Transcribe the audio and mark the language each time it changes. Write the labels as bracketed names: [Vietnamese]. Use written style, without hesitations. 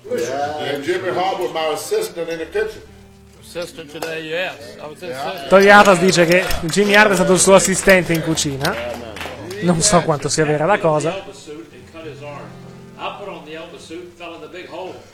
[English] Yeah. And Jimmy Hart was my assistant in the kitchen. Assistant today, yes. I was assistant. [Italian] Tony Atlas dice che Jimmy Hart è stato il suo assistente in cucina. Non so quanto sia vera la cosa. [English] I put on the Elvis suit and fell in the big hole.